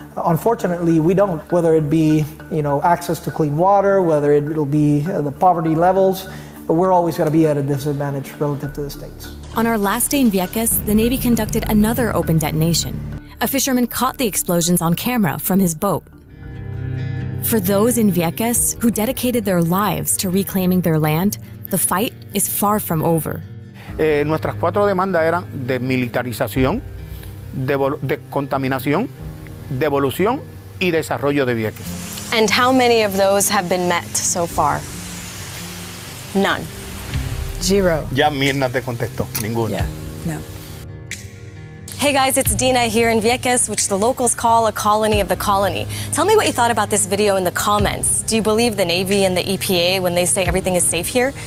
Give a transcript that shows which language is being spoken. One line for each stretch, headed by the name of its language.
English: Unfortunately, we don't. Whether it be, you know, access to clean water, whether it'll be the poverty levels, we're always going to be at a disadvantage relative to the states. On our last day in Vieques, the Navy conducted another open detonation. A fisherman caught the explosions on camera from his boat. For those in Vieques who dedicated their lives to reclaiming their land, the fight is far from over.
Spanish: Nuestras 4 demandas eran de militarización, de contaminación, devolución y desarrollo de Vieques.
English: And how many of those have been met so far? None. Zero.
Spanish: Ya Mirna te contestó, ninguno.
English: Yeah, no. Hey guys, it's Dina here in Vieques, which the locals call a colony of the colony. Tell me what you thought about this video in the comments. Do you believe the Navy and the EPA when they say everything is safe here?